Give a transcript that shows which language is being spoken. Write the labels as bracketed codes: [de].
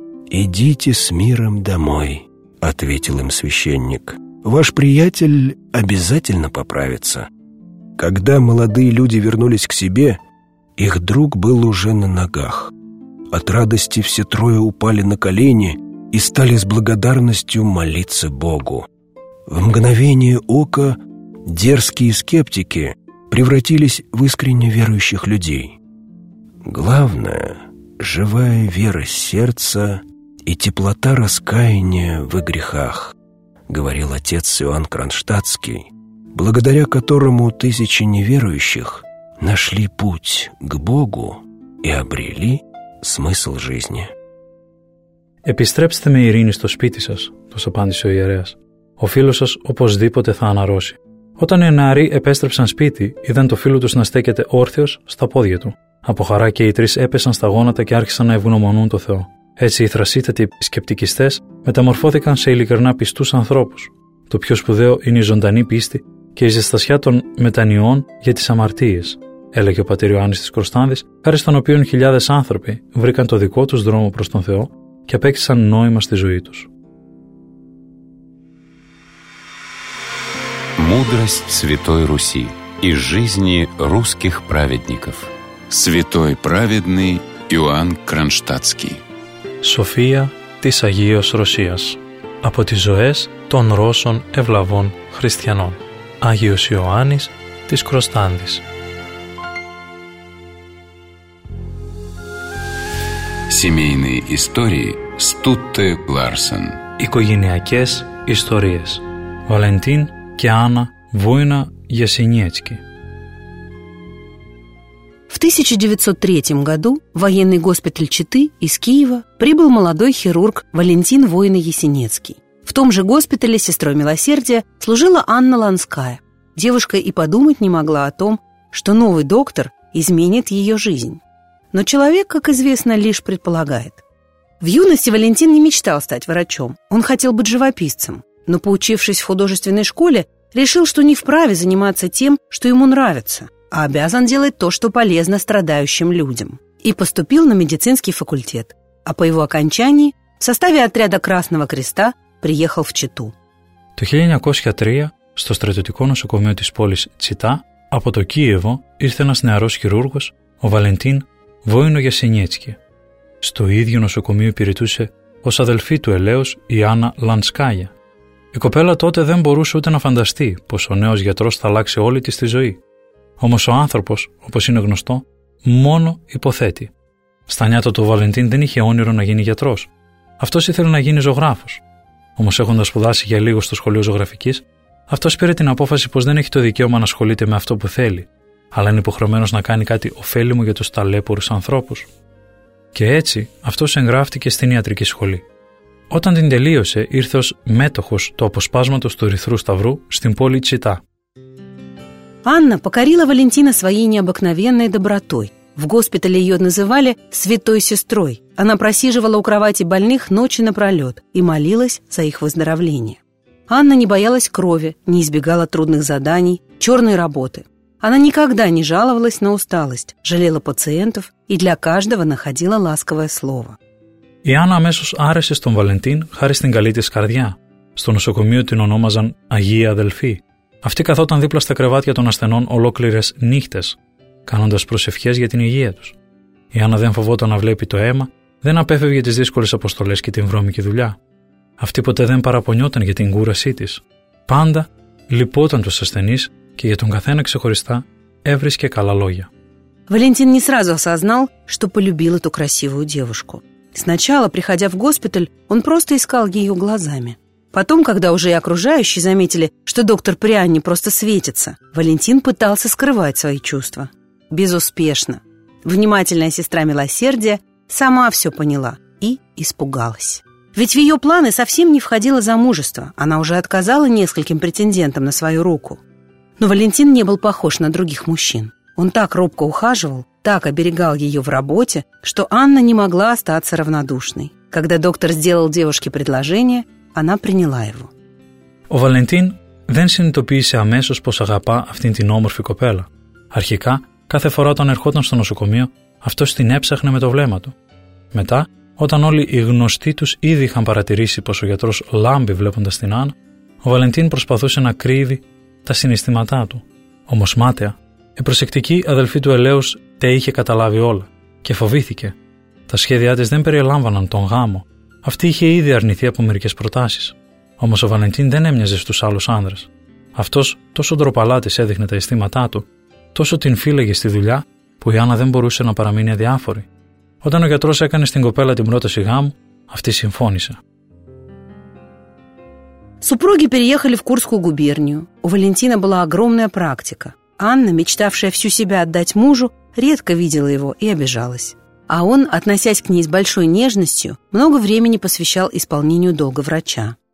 [ru] «Идите с миром домой», ответил им священник. «Ваш приятель обязательно поправится». Когда молодые люди вернулись к себе, их друг был уже на ногах. От радости все трое упали на колени и стали с благодарностью молиться Богу. В мгновение ока дерзкие скептики превратились в искренне верующих людей. Главное — живая вера сердца и теплота раскаяния в грехах, говорил отец Иоанн Кронштадтский, благодаря которому тысячи неверующих нашли путь к Богу и обрели смысл жизни. [el] «Επιστρέψτε με ειρήνη στο σπίτι σας», τους απάντησε ο ιερέας. «Ο φίλος σας οπωσδήποτε θα αναρρώσει». Όταν οι νεαροί επέστρεψαν σπίτι, είδαν το φίλο τους να στέκεται όρθιος στα πόδια του. Από χαρά και οι τρεις έπεσαν στα γόνατα και άρχισαν να ευγνωμονούν το Θεό. Έτσι οι θρασίτατοι σκεπτικιστές μεταμορφώθηκαν σε ειλικρινά πιστούς ανθρώπους. Το πιο σπουδαίο είναι η ζωντανή πίστη και η ζεστασιά των μετανοιών για τις αμαρτίες, έλεγε ο πατήρ Ιωάννης της Κροστάνδης, χάρη στον οποίο χιλιάδες άνθρωποι βρήκαν το δικό τους δρόμο προς τον Θεό και απέκτησαν νόημα στη ζωή τους. [ru] Мудрость Святой Руси из жизни русских праведников. Святой праведный Иоанн Кронштадтский. [el] София της Αγίας Ρωσίας. Από τις ζωές των Ρώσων ευλαβών χριστιανών. Άγιος Ιωάννης της Κροστάνδης. [ru] Семейные истории Стутте Ларсен. [el] Οικογενειακές ιστορίες. Βαλεντίν και Άννα Βούινα Γιασινιέτσκι. [ru] В 1903 году в военный госпиталь Читы из Киева прибыл молодой хирург Валентин Воина-Ясенецкий. В том же госпитале сестрой милосердия служила Анна Ланская. Девушка и подумать не могла о том, что новый доктор изменит ее жизнь. Но человек, как известно, лишь предполагает. В юности Валентин не мечтал стать врачом. Он хотел быть живописцем. Но, поучившись в художественной школе, решил, что не вправе заниматься тем, что ему нравится, а обязан делать то, что полезно страдающим людям. И поступил на медицинский факультет. А по его окончании в составе отряда Красного Креста приехал в Читу. [el] Το 1903 στο στρατιωτικό νοσοκομείο της πόλης Τσιτά από το Κίεβο ήρθε ένας νεαρός χειρούργος, ο Βαλεντίν Βόινο Γιασενιέτσκι. Στο ίδιο νοσοκομείο υπηρετούσε ως αδελφή του Ελέους η Άννα Λανσκάγια. Η κοπέλα τότε δεν μπορούσε ούτε να φανταστεί πως ο νέος γιατρός θα αλλάξει όλη της τη ζωή. Όμως ο άνθρωπος, όπως είναι γνωστό, μόνο υποθέτει. Στα νιάτα του Βαλεντίν δεν είχε όνειρο να γίνει γιατρός. Αυτός ήθελε να γίνει ζωγράφος. Όμως έχοντας σπουδάσει για λίγο στο σχολείο ζωγραφικής, αυτός πήρε την απόφαση πως δεν έχει το δικαίωμα να ασχολείται με αυτό που θέλει, αλλά είναι υποχρεωμένος να κάνει κάτι ωφέλιμο για τους ταλέπορους ανθρώπους. Και έτσι αυτός εγγράφτηκε στην ιατρική σχολή. Όταν την τελείωσε, ήρθε ως μέτοχος του αποσπάσματος του Ερυθρού Σταυρού στην πόλη Τσιτά. [ru] Άννα покорила Валентина своей необыкновенной добротой. В госпитале ее называли «святой сестрой». Она просиживала у кровати больных ночи напролет и молилась за их выздоровление. Анна не боялась крови, не избегала трудных заданий, черной работы. Она никогда не жаловалась на усталость, жалела пациентов и для каждого находила ласковое слово. [el] Η Άννα αμέσως άρεσε στον Βαλεντίν χάρη στην καλή της καρδιά. Στο νοσοκομείο την ονόμαζαν «Αγία Αδελφή». Αυτή καθόταν δίπλα στα κρεβάτια των ασθενών ολόκληρες νύχτες, κάνοντας προσευχές για την υγεία τους. Η Άννα δεν φοβόταν να βλέπει το αίμα, δεν απέφευγε τις δύσκολες αποστολές και την βρώμικη δουλειά. Αυτή ποτέ δεν παραπονιόταν για την κούρασή της. Πάντα λυπόταν τους ασθενείς και για τον καθένα ξεχωριστά έβρισκε καλά λόγια. [ru] Βαλεντίν не сразу осознал, что полюбил эту красивую девушку. Сначала, приходя в госпиталь, он просто искал ее глазами. Потом, когда уже и окружающие заметили, что доктор Прианни просто светится, Валентин пытался скрывать свои чувства. Безуспешно. Внимательная сестра милосердия сама все поняла и испугалась. Ведь в ее планы совсем не входило замужество, она уже отказала нескольким претендентам на свою руку. Но Валентин не был похож на других мужчин. Он так робко ухаживал, так оберегал ее в работе, что Анна не могла остаться равнодушной. Когда доктор сделал девушке предложение, она приняла его. [el] Ο Βαλεντίν δεν συνειδητοποίησε αμέσως πως αγαπά αυτήν την όμορφη κοπέλα. Αρχικά, κάθε φορά όταν ερχόταν στο νοσοκομείο, αυτός την έψαχνε με το βλέμμα του. Μετά, όταν όλοι οι γνωστοί τους ήδη είχαν παρατηρήσει πως ο γιατρός λάμπει βλέποντας την Άννα, ο Βαλεντίν προσπαθούσε να κρύβει τα συναισθήματά του. Όμως μάταια, η προσεκτική αδελφή του Ελέους τα είχε καταλάβει όλα και φοβήθηκε. Τα σχέδιά της δεν περιλάμβαναν τον γάμο. Αυτή είχε ήδη αρνηθεί από μερικές προτάσεις. Όμως ο Βαλεντίν δεν έμοιαζε στους άλλους άνδρες. Αυτός τόσο ντροπαλά της έδειχνε τα αισθήματά του, τόσο την φύλαγε στη δουλειά, που η Άννα δεν μπορούσε να παραμείνει αδιάφορη. Όταν ο γιατρός έκανε στην κοπέλα την πρόταση γάμου, αυτή συμφώνησε. [ru] Супруги переехали в Курскую губернию. У Валентина была огромная практика. Анна, мечтавшая всю себя отдать мужу, редко видела его и обижалась. А он, относясь к ней с большой нежностью, много времени посвящал исполнению долга врача.